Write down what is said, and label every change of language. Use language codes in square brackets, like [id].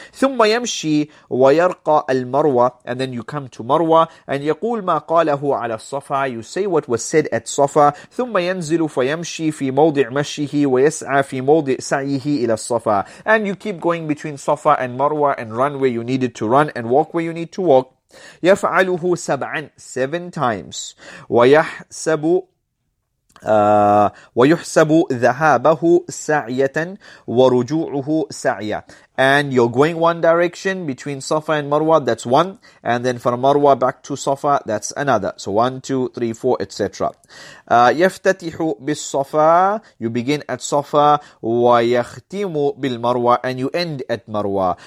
[ar] ثم يمشي ويرقى المروة, [en] and then you come to Marwa, and [ar] يقول ما قاله على الصفا, [en] you say what was said at Safa. [ar] ثم ينزل فيمشي في موضع مشيه ويسعى في موضع سعيه إلى الصفا, [en] and you keep going between Safa and Marwa and run where you needed to run and walk where you need to walk. [ar] يفعله [en] seven times. [ar] ويحسب ويحسب ذهابه سعية ورجوعه سعية. [en] And you're going one direction between Safa and Marwa, that's one. And then from Marwa back to Safa, that's another. So 1, 2, 3, 4, etc. [ar] يفتتح بالصفا, [en] you begin at Safa. [ar] ويختم بالمروة, [en] and you end at Marwa.